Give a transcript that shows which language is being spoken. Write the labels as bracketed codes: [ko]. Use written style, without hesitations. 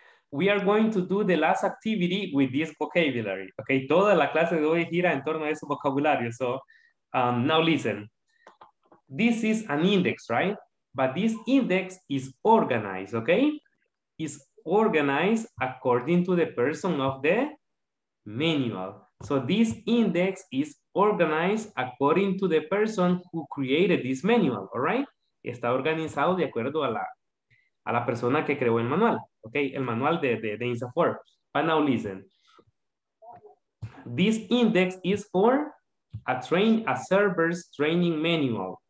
[en] We are going to do the last activity with this vocabulary. [es] Okay, toda la clase de hoy gira en torno a ese vocabulario. [en] So, now listen. This is an index, right? But this index is organized, okay? It's organized according to the person of the manual. So this index is organized according to the person who created this manual, all right? [es] Está organizado de acuerdo a la persona que creó el manual, okay? El manual de INSAFORP. [en] But now listen. This index is for a server's training manual.